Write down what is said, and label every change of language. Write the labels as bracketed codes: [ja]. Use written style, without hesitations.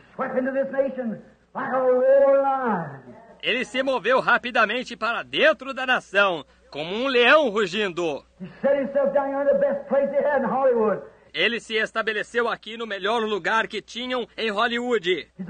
[en] Swept into this nation like a roaring lion. [pt] Ele se moveu rapidamente para dentro da nação, como um leão rugindo. [en] He set himself down in the best place he had in Hollywood. [pt] Ele se estabeleceu aqui no melhor lugar que tinham em Hollywood.